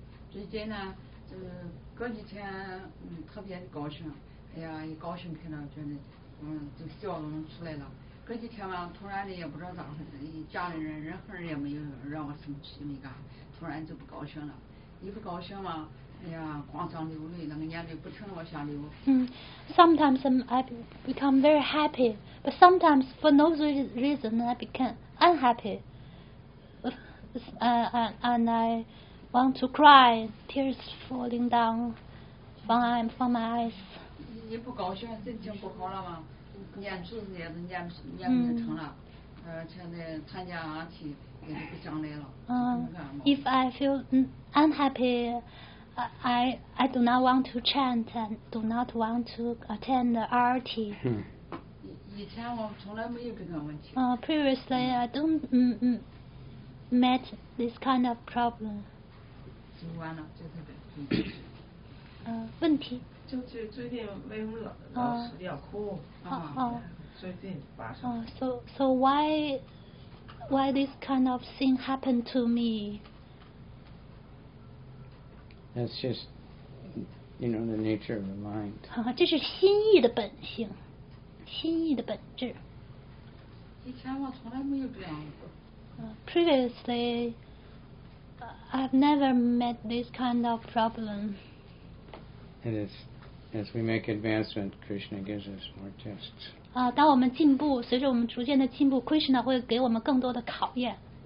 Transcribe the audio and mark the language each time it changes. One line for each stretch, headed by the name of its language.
Chinese: 最近呢隔几天特别高兴哎呀一高兴听到觉得就笑容出来了隔几天嘛突然的也不知道咋回事家里人任何人也没有让我什么心里干突然就不高兴了一不高兴嘛哎呀光想流泪那个眼泪不停地往下流
English: Sometimes I become very happy but sometimes for no reason I become unhappy and I want to cry tears falling down from my eyes
Chinese: 你不高兴心情不好了吗念书也是念不成了现在参加阿奇也是不想来了
English: If I feel unhappy I do not want to chant and do not want to attend the RT
Chinese: 以前我从来没有这个问题
English: Previously I don't met this kind of problem
Chinese: 就完了就特别问题就是最近为什么老是要哭最近发生
English: So why this kind of thing happened to me? That's just, you know, the nature of the mind.
Chinese: 这是心意的本性，心意的本质。以前我从来没有这样过。
English: Previously, I've never met this kind of problem. It is. As we make advancement, Krishna gives us more tests.
Chinese: 当我们进步，随着我们逐渐的进步 ，Krishna 会给我们更多的考验。